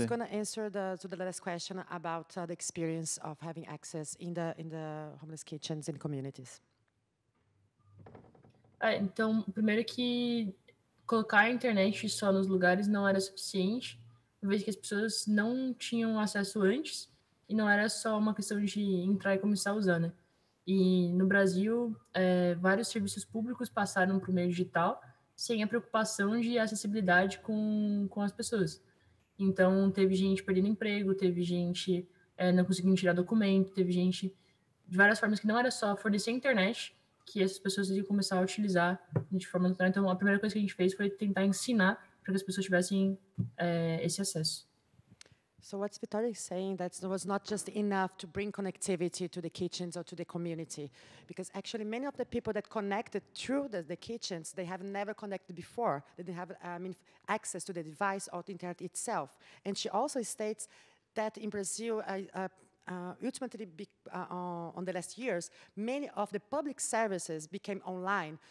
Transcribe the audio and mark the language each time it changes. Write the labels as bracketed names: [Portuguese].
[English] So she's going to answer the last question about the experience of having access in the homeless kitchens and communities. [Portuguese] Então, primeiro que colocar a internet só nos lugares não era suficiente, uma vez que as pessoas não tinham acesso antes, e não era só uma questão de entrar e começar a usar, né? E no Brasil, vários serviços públicos passaram para o meio digital sem a preocupação de acessibilidade com as pessoas. Então, teve gente perdendo emprego, teve gente não conseguindo tirar documento, teve gente de várias formas que não era só fornecer internet que essas pessoas iam começar a utilizar de forma natural. Então, a primeira coisa que a gente fez foi tentar ensinar para que as pessoas tivessem esse acesso. [English] So what's Vitória saying that it was not just enough to bring connectivity to the kitchens or to the community, because actually many of the people that connected through the kitchens, they have never connected before. They didn't have access to the device or the internet itself. And she also states that in Brazil, ultimately on the last years, many of the public services became online.